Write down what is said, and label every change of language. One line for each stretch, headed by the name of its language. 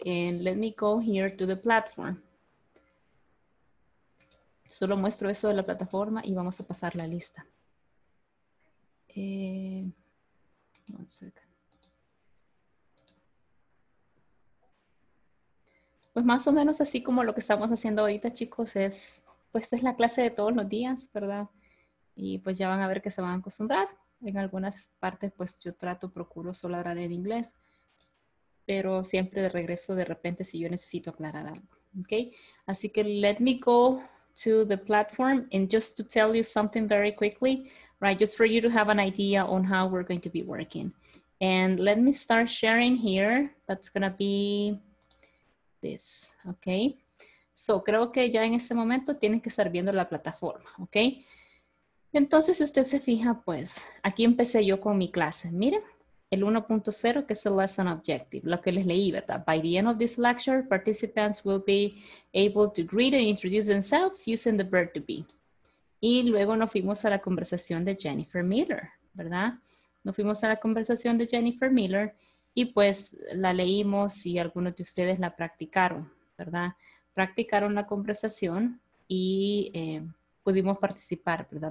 English: And let me go here to the platform.
Spanish: Solo muestro eso de la plataforma y vamos a pasar la lista.
English: One second.
Spanish: Pues más o menos así como lo que estamos haciendo ahorita, chicos, es, pues es la clase de todos los días, ¿verdad? Y pues ya van a ver que se van a acostumbrar. En algunas partes, pues yo trato, procuro solo hablar en inglés. Pero siempre de regreso, de repente, si yo necesito aclarar algo.
English: ¿Okay?
Spanish: Así que
English: let me go to the platform. And just to tell you something very quickly, right? Just for you to have an idea on how we're going to be working. And let me start sharing here. That's going to be this. ¿Okay? So
Spanish: creo que ya en este momento tienen que estar viendo la plataforma. ¿Okay? Entonces, si usted se fija, pues, aquí empecé yo con mi clase. Miren, el 1.0, que es el lesson objective, lo que les leí, ¿verdad?
English: By the end of this lecture, participants will be able to greet and introduce themselves using the verb to be.
Spanish: Y luego nos fuimos a la conversación de Jennifer Miller, ¿verdad? Nos fuimos a la conversación de Jennifer Miller y pues la leímos y algunos de ustedes la practicaron, ¿verdad? Practicaron la conversación y pudimos participar, ¿verdad?